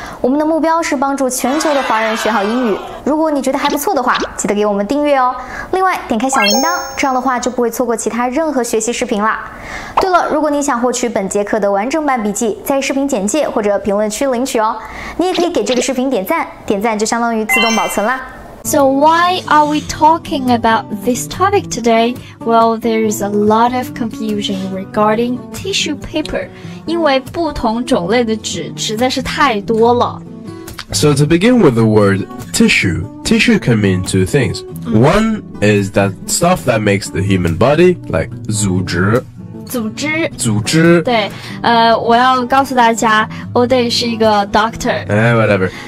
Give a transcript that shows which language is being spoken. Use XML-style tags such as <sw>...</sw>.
<zh>我们的目标是帮助全球的华人学好英语。如果你觉得还不错的话，记得给我们订阅哦。另外，点开小铃铛，这样的话就不会错过其他任何学习视频啦。对了，如果你想获取本节课的完整版笔记，在视频简介或者评论区领取哦。你也可以给这个视频点赞，点赞就相当于自动保存啦。</zh> <en>So why are we talking about this topic today? Well, there is a lot of confusion regarding tissue paper.</en> <zh>因为不同种类的纸实在是太多了。</zh> <en>So to begin with the word tissue, tissue can mean two things. One is that stuff that makes the human body, like</en> <zh>组织。组织对我要告诉大家 Ode 是一个 doctor</zh> <en>whatever.</en>